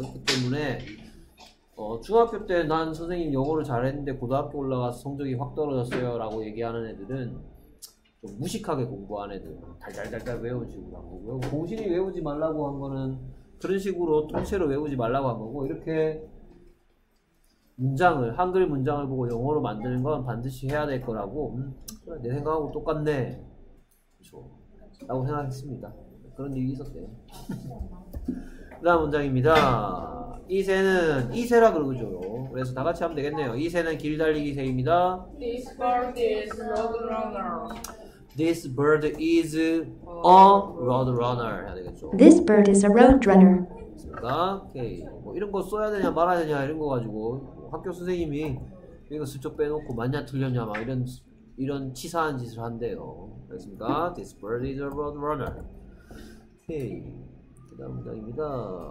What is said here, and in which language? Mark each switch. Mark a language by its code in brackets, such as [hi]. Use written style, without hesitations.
[ko] 그렇기 때문에 중학교 때 난 선생님 영어를 잘했는데 고등학교 올라가서 성적이 확 떨어졌어요 라고 얘기하는 애들은 좀 무식하게 공부한 애들 달달달달 외우지 말고 공신이 외우지 말라고 한 거는 그런 식으로 통째로 외우지 말라고 한 거고 이렇게 문장을 한글 문장을 보고 영어로 만드는 건 반드시 해야 될 거라고 내 생각하고 똑같네 그쵸? 라고 생각했습니다. 그런 일이 있었대요. 다음 문장입니다. 이새는 이새라 그러죠. 그래서 다 같이 하면 되겠네요. 이새는 길 달리기 새입니다. [en] This bird is a road runner. This bird is a road runner [ko] 해야 되겠죠. [en] This bird is a road runner. [ko] 그러니까 오케이. 뭐 이런 거 써야 되냐 말아야 되냐 이런 거 가지고 학교 선생님이 이거 슬쩍 빼놓고 맞냐 틀렸냐 막 이런 치사한 짓을 한대요. 알겠습니까? [en] This bird is a road runner. 오케이. [ko] 다음 문장입니다.